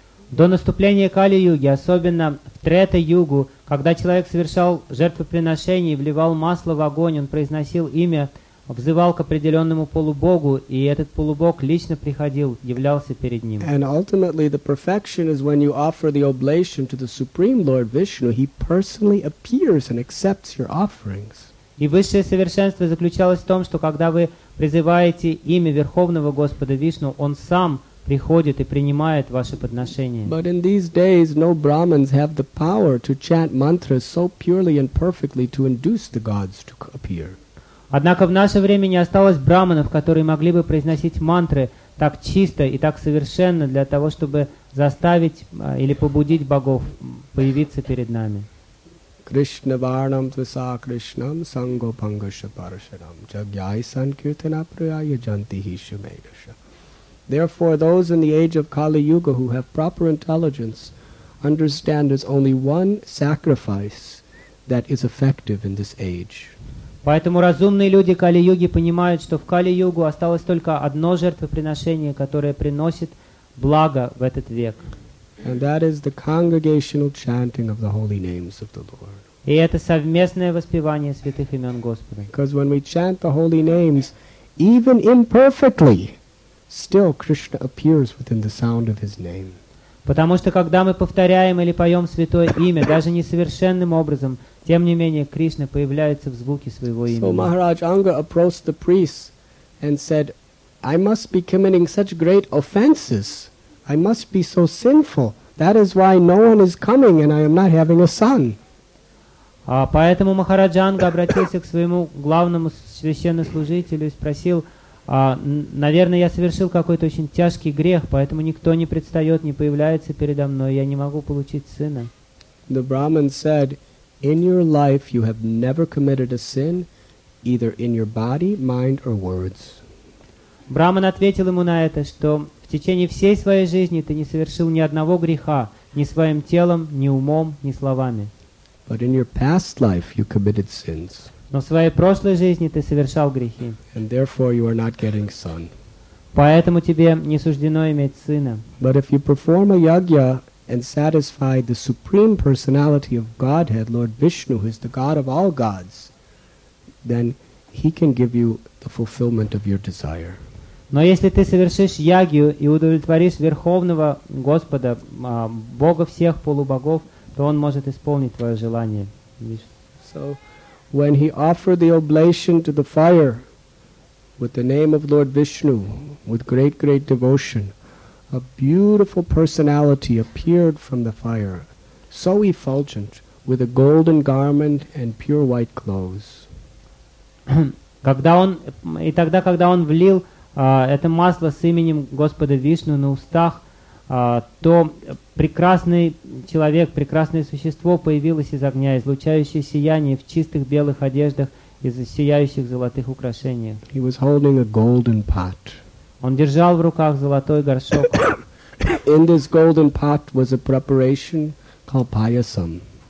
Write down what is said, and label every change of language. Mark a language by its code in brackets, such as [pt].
[ru] До наступления Кали-юги, особенно в Трета-югу, когда человек совершал жертвоприношение и вливал масло в огонь, он произносил имя, взывал к определенному полубогу, и этот полубог лично приходил, являлся перед ним. [en] And ultimately, the perfection is when you offer the oblation to the Supreme Lord Vishnu, he personally appears and accepts your offerings. [ru] И высшее совершенство заключалось в том, что когда вы призываете имя Верховного Господа Вишну, он сам приходит и принимает ваше подношение. [en] But in these days, no Brahmins have the power to chant mantras so purely and perfectly to induce the gods to appear. [ru] Однако в наше время не осталось браманов, которые могли бы произносить мантры так чисто и так совершенно для того, чтобы заставить или побудить богов появиться перед нами. [sa] Krishna Varnam Tvisa Krishnam Sango Pangasha Parashadam Jagyai Sankirtana Priyaya Jantihi Shumedasha. [en] Therefore, those in the age of Kali Yuga who have proper intelligence understand there's only one sacrifice that is effective in this age. [ru] Поэтому разумные люди Кали-юги понимают, что в Кали-югу осталось только одно жертвоприношение, которое приносит благо в этот век. [en] And that is the congregational chanting of the holy names of the Lord. [ru] И это совместное воспевание святых имен Господа. [en] Because when we chant the holy names, even imperfectly, still Krishna appears within the sound of his name. [ru] Потому что когда мы повторяем или поем святое имя, даже несовершенным образом, тем не менее Кришна появляется в звуке своего имени. [en] So Maharaj Anga approached the priest and said, I must be committing such great offenses. I must be so sinful. That is why no one is coming and I am not having a son. [ru] Поэтому Махараджа Анга обратился к своему главному священнослужителю и спросил, наверное, я совершил какой-то очень тяжкий грех, поэтому никто не предстает, не появляется передо мной, я не могу получить сына. [en] The Brahmin said, in your life you have never committed a sin, either in your body, mind or words. [ru] Брахман ответил ему на это, что в течение всей своей жизни ты не совершил ни одного греха, ни своим телом, ни умом, ни словами. [en] But in your past life you committed sins. [ru] Но в своей прошлой жизни ты совершал грехи. [en] And therefore you are not getting son. [ru] Поэтому тебе не суждено иметь сына. [en] But if you perform a yagya and satisfy the supreme personality of Godhead, Lord Vishnu, who is the God of all gods, then he can give you the fulfillment of your desire. [ru] Но если ты совершишь ягью и удовлетворишь Верховного Господа, Бога всех полубогов, то Он может исполнить твое желание. [en] So, when he offered the oblation to the fire with the name of Lord Vishnu, with great devotion, a beautiful personality appeared from the fire, so effulgent, with a golden garment and pure white clothes. [ru] когда он влил это масло с именем Господа Вишну на устах, то прекрасный человек, прекрасное существо появилось из огня, излучающее сияние в чистых белых одеждах и сияющих золотых украшениях. [en] He was holding a golden pot. [ru] Он держал в руках золотой горшок. [en] In this golden pot was a preparation called payasam.